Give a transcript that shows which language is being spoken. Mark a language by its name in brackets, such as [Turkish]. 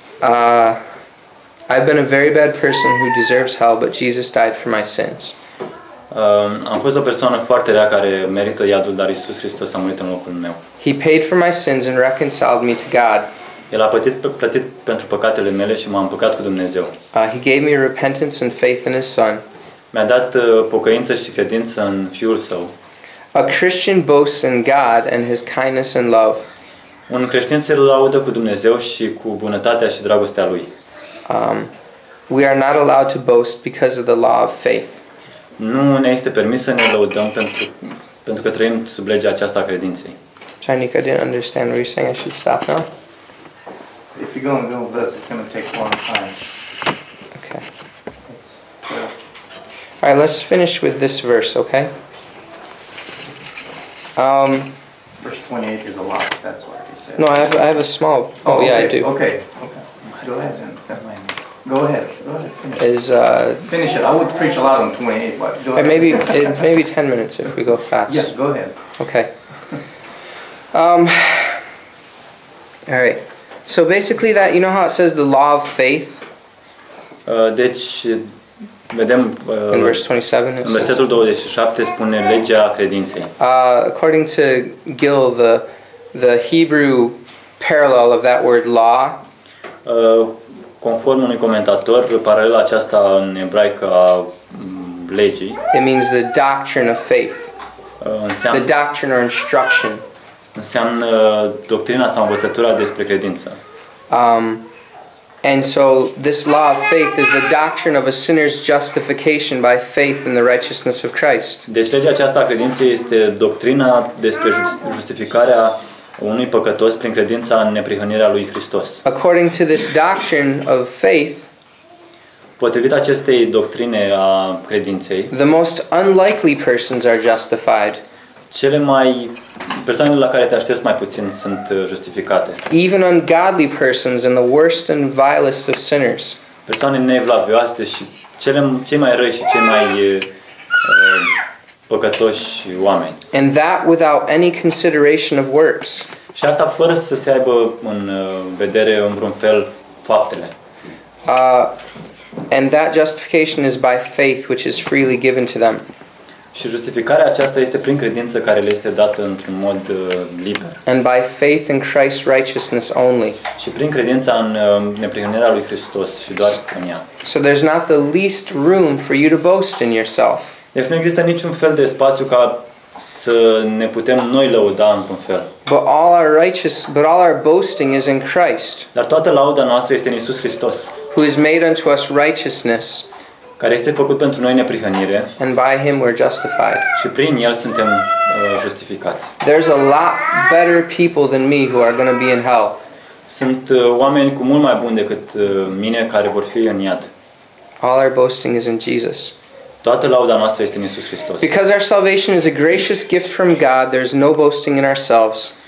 [English] I've been a very bad person who deserves hell, but Jesus died for my sins. [Romanian] Am fost o persoană foarte rea care merită iadul, dar Iisus Hristos a murit în locul meu. [English] He paid for my sins and reconciled me to God. [Romanian] El a plătit pentru păcatele mele și m-a împăcat cu Dumnezeu. [English] He gave me repentance and faith in his son. [Romanian] Mi-a dat pocăință și credință în fiul său. [English] A Christian boasts in God and his kindness and love. [Romanian] Un creștin se laudă cu Dumnezeu și cu bunătatea și dragostea lui. [English] We are not allowed to boast because of the law of faith. [Romanian] Nu ne este permis să ne laudăm pentru că trăim sub legea aceasta a credinței. [English] Chinica, I didn't understand what you're saying. I should stop now. If you go and build this, it's going to take a long time. Okay. All right, let's finish with this verse, okay? Verse 28 is a lot, that's why. No, I have a small. Oh, okay. Yeah, I do. Okay. Go ahead. Finish it. I would preach a lot on 28, but go ahead. Maybe 10 minutes if we go fast. Yeah, go ahead. Okay. All right. So basically that, you know how it says the law of faith? [Romanian] Deci vedem [English] in verse 27. [Romanian] Versetul 27 spune legea credinței. [English] According to Gill, the Hebrew parallel of that word law, [Romanian] conform unui comentator, paralela aceasta în ebraică a legii, [English] it means the doctrine of faith, [Romanian] înseamnă, [English] the doctrine or instruction, [Romanian] înseamnă doctrina sau învățătura despre credință. [English] And so this law of faith is the doctrine of a sinner's justification by faith in the righteousness of Christ. [Romanian] Deci legea aceasta a credinței este doctrina despre justificarea unui păcătos prin credința în neprihănirea lui Hristos. [English] According to this doctrine of faith, [Romanian] potrivit acestei doctrine a credinței, [English] the most unlikely persons are justified. [Romanian] Cele mai persoanele la care te aștepți mai puțin sunt justificate. [English] Even ungodly persons and the worst and vilest of sinners. [Romanian] Persoane neevlavioase și cei mai răi și cei mai păcătoși oameni. [English] And that without any consideration of works. [Romanian] Și asta fără să se aibă în vedere în vreun fel faptele. [English] And that justification is by faith which is freely given to them. [Romanian] Și justificarea aceasta este prin credință care le este dată într-un mod liber. [English] And by faith in Christ's righteousness only. [Romanian] Și prin credința în neprihănirea lui Hristos și doar în ea. [English] So there's not the least room for you to boast in yourself. [Romanian] Deci nu există niciun fel de spațiu ca să ne putem noi lăuda într-un fel. [English] But all our boasting is in Christ. [Romanian] Dar toată lauda noastră este în Iisus Hristos. [English] Who is made unto us righteousness. [Romanian] Care este făcut pentru noi neprihănire. [English] And by him we're justified. [Romanian] Și prin el suntem justificați. [English] There's a lot better people than me who are going to be in hell. [Romanian] Sunt oameni cu mult mai buni decât mine care vor fi în iad. [English] All our boasting is in Jesus. [Romanian] Toată lauda noastră este în Iisus Hristos. [English] Because our salvation is a gracious gift from God, there's no boasting in ourselves.